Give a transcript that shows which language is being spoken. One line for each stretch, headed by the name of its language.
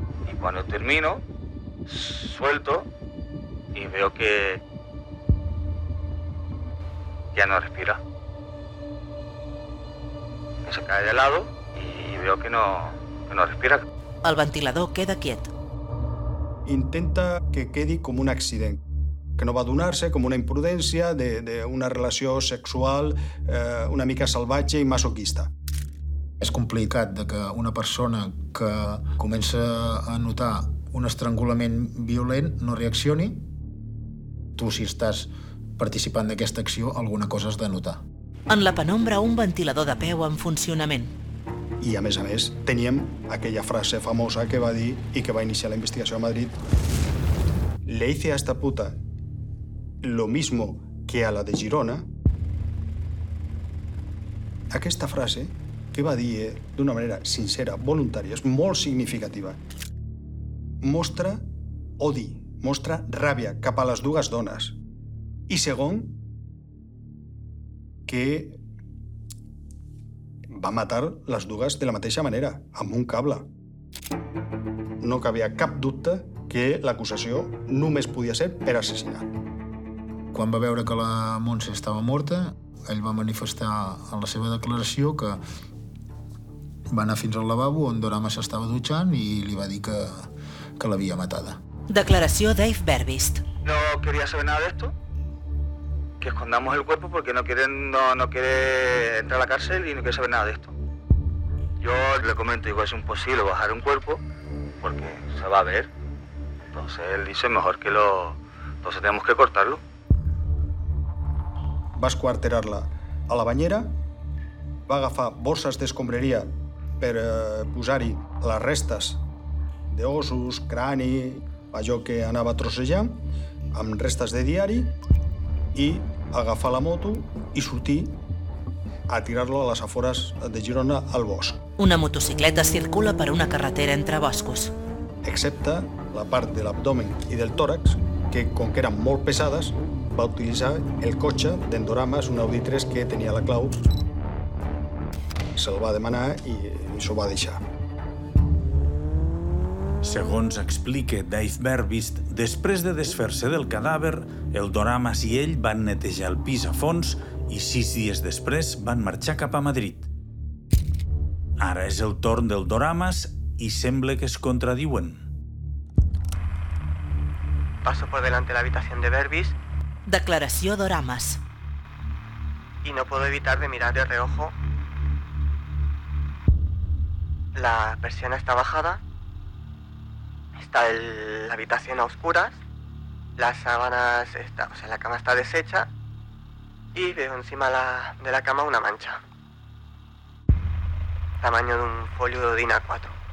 Spanish: Y cuando termino, suelto y veo que ya no respira. Se cae de lado y veo que no respira.
Catalan: El ventilador queda quiet. Intenta que quedi com un accident, que no va donar-se, com una imprudència d'una relació sexual una mica salvatge i masoquista. És complicat que una persona que comença a notar un estrangulament violent no reaccioni. Tu, si estàs participant d'aquesta acció, alguna cosa has de notar. En la penombra, un ventilador de peu en funcionament. I, a més, teníem aquella frase famosa que va dir i que va iniciar la investigació a Madrid.
Spanish: Le hice a esta puta lo mismo que a la de Girona.
Catalan: Aquesta frase, que va dir d'una manera sincera, voluntària, és molt significativa. Mostra odi, mostra ràbia cap a les dues dones. I segon, que va matar les dues de la mateixa manera, amb un cable. No cabia cap dubte que l'acusació només podia ser per assassinat. Quan va veure que la Montse estava morta, ell va manifestar en la seva declaració que va anar fins al lavabo on Dorama s'estava dutxant i li va dir que l'havia matada. Declaració Dave Berbist.
Spanish: No quería saber nada de esto. Que escondamos el cuerpo porque no quiere entrar a la cárcel y no quiere saber nada de esto. Yo le comento, digo, es imposible bajar un cuerpo porque se va a ver. Entonces él dice, mejor que lo... Entonces tenemos que cortarlo.
Catalan: Va esquarterar-la a la banyera, va agafar bosses d'escombreria per posar-hi les restes d'ossos, crani, allò que anava trossejant, amb restes de diari, i agafar la moto i sortir a tirar-lo a les afores de Girona al bosc. Una motocicleta circula per una carretera entre boscos. Excepte la part de l'abdomen i del tòrax, que, com que eren molt pesades, va utilitzar el cotxe d'Endoramas, un Audi 3 que tenia la clau. Se'l va demanar i s'ho va deixar. Segons explica Dave Berbist, després de desfer-se del cadàver, el Doramas i ell van netejar el pis a fons i 6 dies després van marxar cap a Madrid. Ara és el torn del Doramas i sembla que es contradiuen.
Spanish: Paso por delante de la habitación de Berbist.
Catalan: Declaració Doramas.
Spanish: Y no puedo evitar de mirar de reojo. La persiana está bajada, está la habitación a oscuras, las sábanas, la cama está deshecha y veo encima de la cama una mancha, tamaño de un folio de DIN A4.